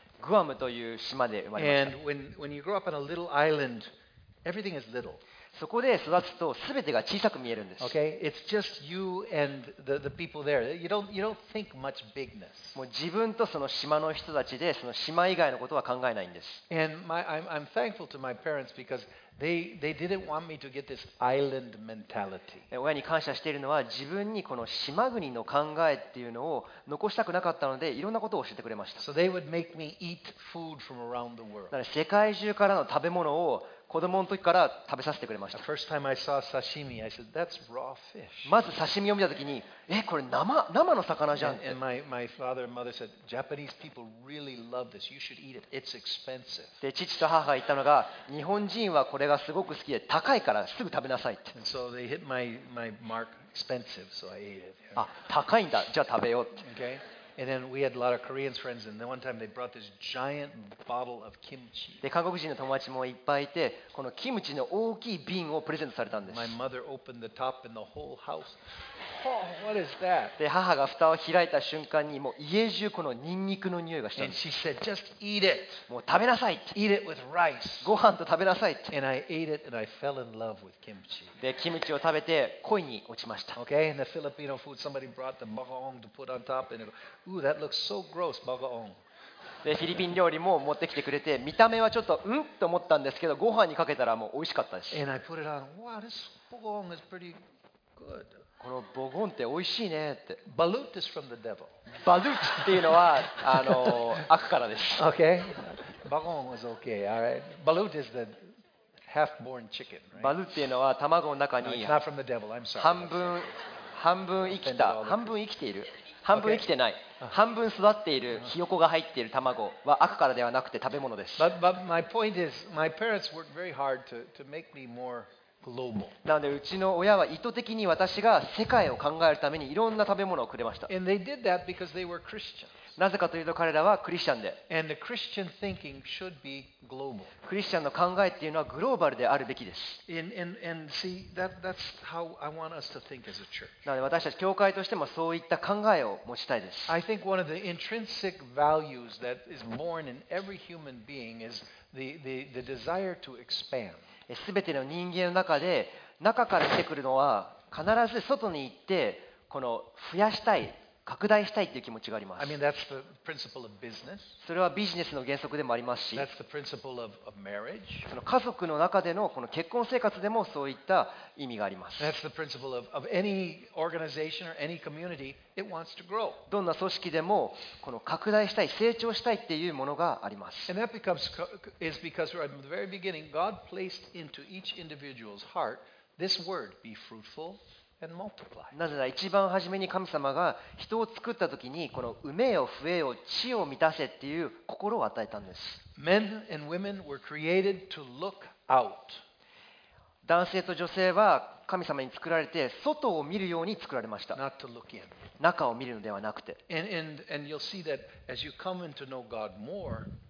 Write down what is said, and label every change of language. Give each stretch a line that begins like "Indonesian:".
Japanese: グアムという島で生まれました。そこで育つと全てが小さく見えるんです。
English: Okay? It's just you and the people there. You don't think much bigness.
Japanese: もう自分とその島の人たちでその島以外のことは考えないんです。
English: And I'm thankful to my parents because they didn't want me to get this island mentality.
Japanese: 親に感謝しているのは自分にこの島国の考えっていうのを残したくなかったのでいろんなことを教えてくれました。
English: So they would make me eat food from around the world.
Japanese: だから世界中からの食べ物を子供の時から食べさせてくれました。
English: The first time I saw sashimi, I said, "That's raw fish."
Japanese: まず刺身を見たときに、これ生の魚じゃんって。
English: And my father and mother said, "Japanese people really love this. You should eat it. It's expensive."
Japanese: で、父と母が言ったのが、日本人はこれがすごく好きで高いからすぐ食べなさいって。
English: And so they hit my mark, expensive. So I ate it.
Japanese: あ、高いんだ。じゃあ食べようって。
English: Okay. And then we had a lot of Korean friends, and one time they brought this giant bottle of kimchi.
Japanese: で、韓国人の友達もいっぱいいて、このキムチの大きい瓶をプレゼントされたんです。
English: My mother opened the top, and the whole house. Oh, what is that?
Japanese: で、母が蓋を開いた瞬間に、もう家中このニンニクの匂いがしたんです。
English: And she said, "Just eat it."
Japanese: もう食べなさい。
English: Eat it with rice.
Japanese: ご飯と食べなさい。
English: And I ate it, and I fell in love with kimchi.
Japanese: で、キムチを食べて恋に落ちました。
English: Okay, and the Filipino food, somebody brought the bagoong to put on top, and it goOoh, that looks so gross, bagoong.
Japanese: で、フィリピン料理も持ってきてくれて、見た目はちょっとと思ったんですけど、ご飯にかけたらもう美味しかったし。
English: And I put it on. Wow, this bagoong is pretty good.
Japanese: このボゴンって美味しいねって。
English: Balut is from the devil.
Japanese: Balut っていうのは悪からです。
English: Okay. Bagoong is okay. All right. Balut is the half-born chicken, right?
Japanese: バルっていうのは卵の中に半分生きた半分生きている半分生きてない、okay. 半分育っているひよこが入っている卵は悪からではなくて食べ物です。
English: but my point is my parents worked very hard to make me moreGlobal.
Japanese: なのでうちの親は意図的に私が世界を考えるためにいろんな食べ物をくれました。
English: And they did that because they were Christians.
Japanese: なぜかというと彼らはクリスチャンで。
English: And the Christian thinking should be global.
Japanese: クリスチャンの考えっていうのはグローバルであるべきです。
English: And see that's how I want us to think as a church.
Japanese: なので私たち教会としてもそういった考えを持ちたいです。
English: I think one of the intrinsic values that is born in every human being is the desire to expand.
Japanese: 全ての人間の中で中から出てくるのは必ず外に行ってこの増やしたい拡大したいという気持ちがあります。
English: I mean, that's the principle of business.
Japanese: それはビジネスの原則でもありますし
English: that's the principle of marriage.
Japanese: その家族の中で この結婚生活でもそういった意味があります。
English: that's the principle of any organization or any community. It wants to grow.
Japanese: どんな組織でもこの拡大したい成長したいっていうものがあります。
English: and that is because right from the very beginning God placed into each individual's heart this word, be fruitfulAnd multiply.
Japanese: なぜなら一番初めに神様が人を作った時にこの産めよ増えよ地を満たせっていう心を与えたんです。
English: Men and women were created to look out.
Japanese: 男性と女性は神様に作られて外を見るように作られました。
English: Not to look in.
Japanese: 中を見るのではなくて
English: and you'll see that as you come into know God more,